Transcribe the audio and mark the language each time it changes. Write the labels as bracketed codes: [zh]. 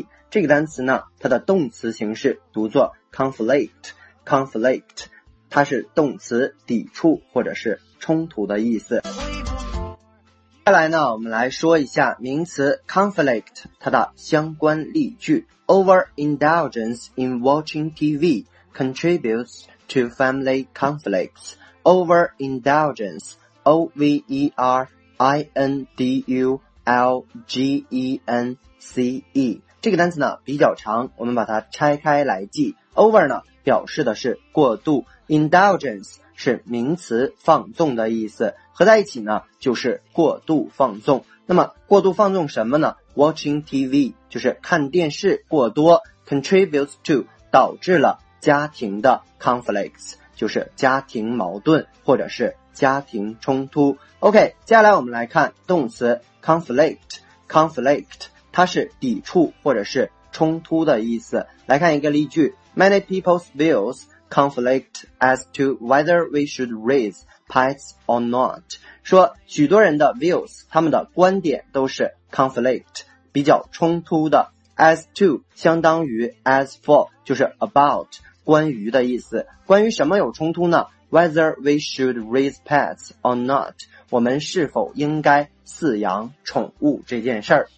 [zh] 这个单词呢，它的动词形式读作 conflict， conflict 它是动词，抵触或者是冲突的意思。接下来呢，我们来说一下名词 conflict 它的相关例句。 [en] Overindulgence in watching TV contributes to family conflicts. [zh] Overindulgence, O-V-E-R-I-N-D-U-L-G-E-N-C-E 这个单词呢比较长，我们把它拆开来记。 Over 呢表示的是过度， Indulgence 是名词，放纵的意思，合在一起呢就是过度放纵。那么过度放纵什么呢？ [en] Watching TV [zh] 就是看电视过多， contributes to 导致了家庭的 conflicts 就是家庭矛盾或者是家庭冲突。 OK， 接下来我们来看动词 conflict。conflict 它是抵触或者是冲突的意思。来看一个例句， [en] Many people's views conflict as to whether we should raise pets or not， [zh] 说许多人的 views 他们的观点都是 conflict， 比较冲突的。 As to 相当于 as for， 就是 about， 关于的意思。关于什么有冲突呢？ [en] Whether we should raise pets or not， [zh] 我们是否应该饲养宠物这件事儿。